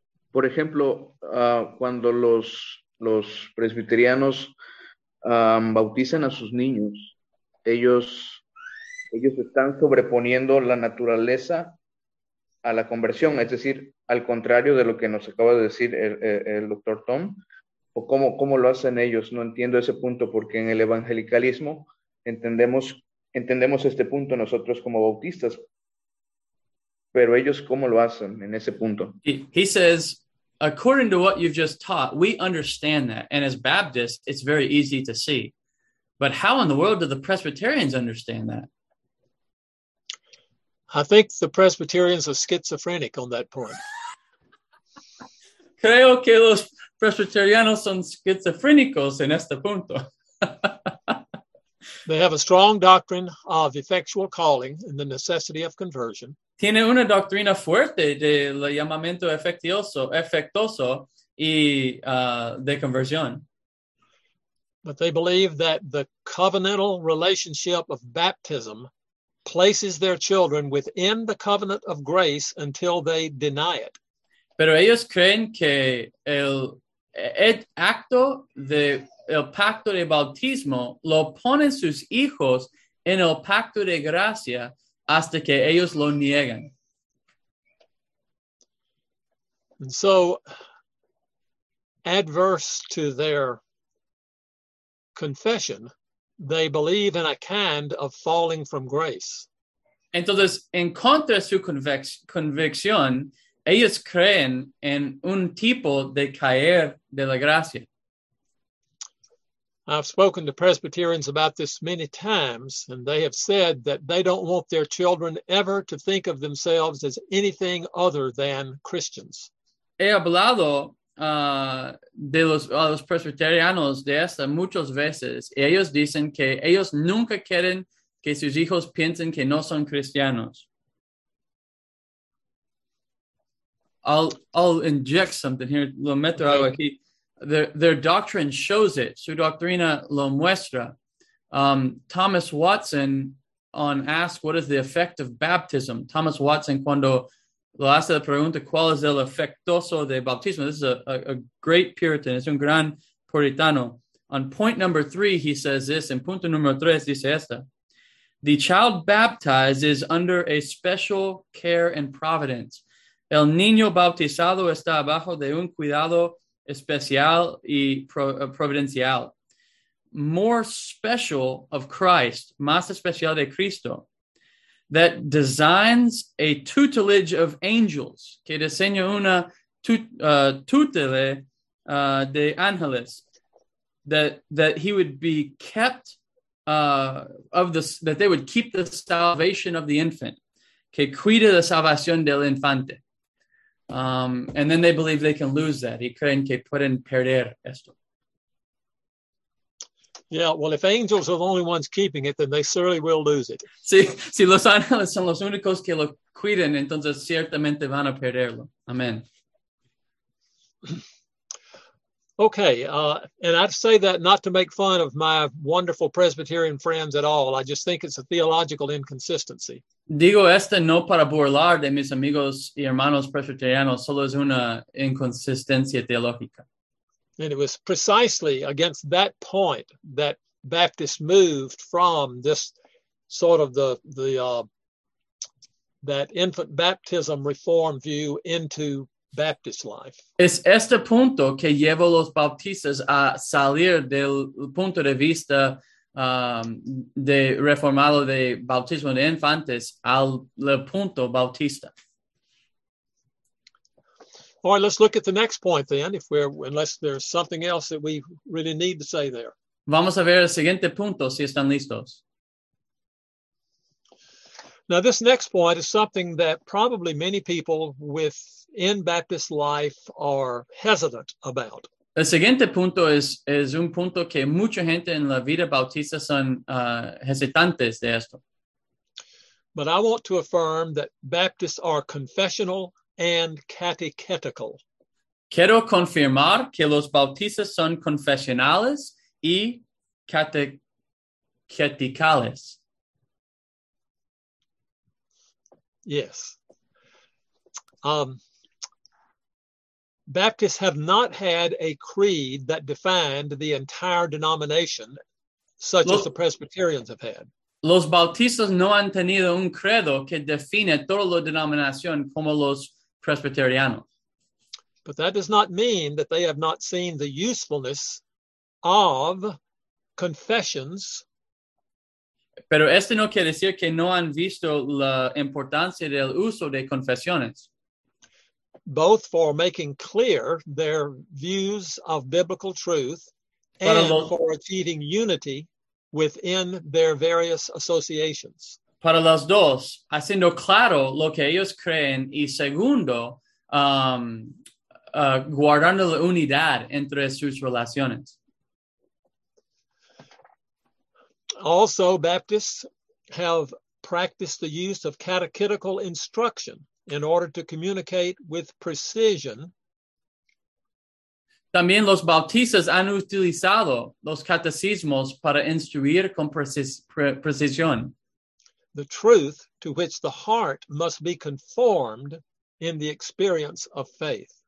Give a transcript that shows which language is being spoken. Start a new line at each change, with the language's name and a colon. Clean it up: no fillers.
Spanish: Por ejemplo, cuando los presbiterianos bautizan a sus niños, ellos están sobreponiendo la naturaleza a la conversión, es decir, al contrario de lo que nos acaba de decir el doctor Tom, o cómo lo hacen ellos. No entiendo ese punto, porque en el evangelicalismo entendemos este punto nosotros como bautistas, pero ellos, ¿cómo lo hacen en ese punto?
English: He says, according to what you've just taught, we understand that, and as Baptists, it's very easy to see. But how in the world do the Presbyterians understand that? I think the Presbyterians are schizophrenic on that point.
Spanish: Creo que los Presbyterianos son esquizofrénicos en este punto.
English: They have a strong doctrine of effectual calling and the necessity of conversion.
Spanish: Tiene una doctrina fuerte de llamamiento efectuoso y de conversión.
English: But they believe that the covenantal relationship of baptism places their children within the covenant of grace until they deny it.
Spanish: Pero ellos creen que el el acto de el pacto de bautismo lo ponen sus hijos en el pacto de gracia hasta que ellos lo niegan.
English: And so, adverse to their confession, they believe in a kind of falling from grace.
Spanish: Entonces, en contra de su convicción, ellos creen en un tipo de caer de la gracia.
English: I've spoken to Presbyterians about this many times, and they have said that they don't want their children ever to think of themselves as anything other than Christians.
Spanish: He hablado de los presbiterianos de esta muchas veces. Ellos dicen que ellos nunca quieren que sus hijos piensen que no son cristianos.
English: I'll inject something here.
Spanish: Lo meto algo aquí.
English: Their doctrine shows it.
Spanish: Su doctrina lo muestra.
English: Thomas Watson on ask, what is the effect of baptism?
Spanish: Thomas Watson, cuando lo hace la pregunta, ¿cuál es el efectoso de bautismo?
English: This is a great Puritan.
Spanish: Es un gran puritano.
English: On point number three, he says this.
Spanish: En punto número tres, dice esta.
English: The child baptized is under a special care and providence.
Spanish: El niño bautizado está bajo de un cuidado especial y providencial.
English: More special of Christ,
Spanish: más especial de Cristo,
English: that designs a tutelage of angels,
Spanish: que diseña una tutela de ángeles,
English: that he would be kept of this, that they would keep the salvation of the infant,
Spanish: que cuida la salvación del infante.
English: And then they believe they can lose that.
Spanish: Y creen que pueden perder esto.
English: Yeah, well, if angels are the only ones keeping it, then they certainly will lose it.
Spanish: Si los ángeles son los únicos que lo cuiden, entonces ciertamente van a perderlo.
English: Amen. Okay, and I'd say that not to make fun of my wonderful Presbyterian friends at all. I just think it's a theological inconsistency.
Spanish: Digo esto no para burlar de mis amigos y hermanos presbiterianos. Solo es una inconsistencia teológica.
English: And it was precisely against that point that Baptists moved from this sort of that infant baptism reform view into Baptist life.
Spanish: Es este punto que llevó los bautistas a salir del punto de vista de reformado de bautismo de infantes al punto bautista.
English: All right, let's look at the next point then, unless there's something else that we really need to say there.
Spanish: Vamos a ver el siguiente punto, si están listos.
English: Now, this next point is something that probably many people within Baptist life are hesitant about.
Spanish: El siguiente punto es un punto que mucha gente en la vida bautista son hesitantes de esto.
English: But I want to affirm that Baptists are confessional and catechetical.
Spanish: Quiero confirmar que los bautistas son confesionales y catequeticales.
English: Yes. Baptists have not had a creed that defined the entire denomination, such as the Presbyterians have had.
Spanish: Los bautistas no han tenido un credo que define toda la denominación como los presbiterianos.
English: But that does not mean that they have not seen the usefulness of confessions.
Spanish: Pero esto no quiere decir que no han visto la importancia del uso de confesiones.
English: Both for making clear their views of biblical truth for achieving unity within their various associations.
Spanish: Para las dos, haciendo claro lo que ellos creen y segundo, guardando la unidad entre sus relaciones.
English: Also, Baptists have practiced the use of catechetical instruction in order to communicate with precision.
Spanish: También los bautistas han utilizado los catecismos para instruir con precisión.
English: The truth to which the heart must be conformed in the experience of faith.